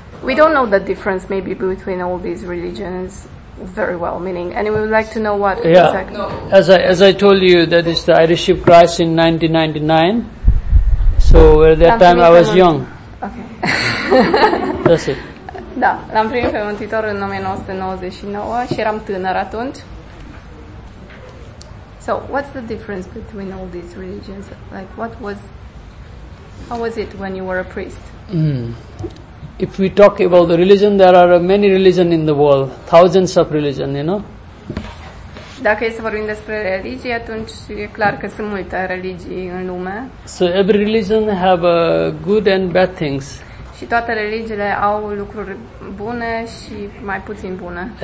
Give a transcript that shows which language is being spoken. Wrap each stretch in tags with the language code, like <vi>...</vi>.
<en>we don't know the difference maybe between all these religions very well. Meaning, and we would like to know what. Yeah. Exactly. No. As I told you, that is the Irish Ship Christ in 1999. So at that time I was young. Okay. That's it.</en> <ro>Da, l-am primit pe Mântuitor în 1999 și eram tânăr atunci.</ro> <en>So, what's the difference between all these religions? Like, what was, how was it when you were a priest? Mm. If we talk about the religion, there are many religions in the world, thousands of religions, you know?</en> <ro>Dacă e să vorbim despre religii, atunci e clar că sunt multe religii în lume.</ro> <en>So, every religion have good and bad things.</en> <ro>Și toate religiile au lucruri bune și mai puțin bune.</ro>